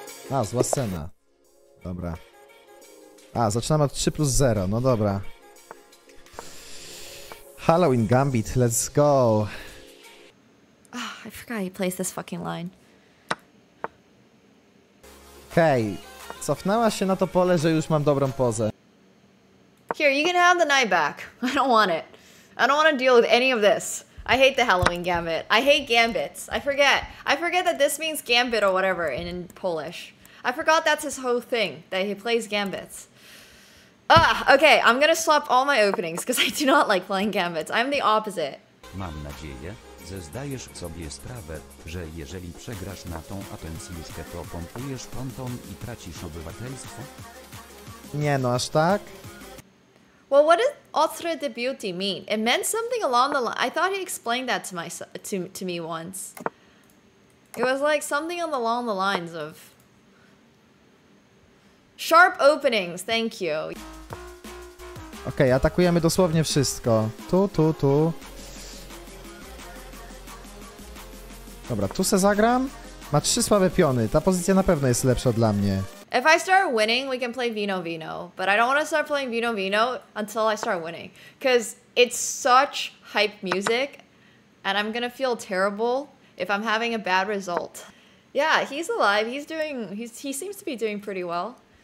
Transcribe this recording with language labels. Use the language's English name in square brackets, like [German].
[Polish] A, zła scena. Dobra. A, zaczynamy od 3 plus 0. No dobra. [English] Halloween Gambit, let's go. Oh, I forgot he plays this fucking line. [Polish] Hej, cofnęła się na to pole, że już mam dobrą pozę. [English] Here, you can have the knight back. I don't want it. I don't want to deal with any of this. I hate the Halloween Gambit. I hate gambits. I forget that this means gambit or whatever in Polish. I forgot that's his whole thing, that he plays gambits. Ah, okay, I'm gonna swap all my openings, because I do not like playing gambits. I'm the opposite. [Polish] Mam nadzieję, że zdajesz sobie sprawę, że jeżeli przegrasz na tą atencjuszkę, to pompujesz ponton i tracisz obywatelstwo? Nie no, aż tak? [English] Well, what does Ostre de Beauty mean? It meant something along the line. I thought he explained that to me once. It was like something along the lines of sharp openings, thank you. [Polish] Okej, atakujemy dosłownie wszystko. Tu. Dobra, tu se zagram. Ma trzy słabe piony. Ta pozycja na pewno jest lepsza dla mnie. [English] If I start winning, we can play Vino-Vino. But I don't want to start playing Vino-Vino until I start winning. Because it's such hype music. And I'm gonna feel terrible if I'm having a bad result. Yeah, he's alive. He seems to be doing pretty well.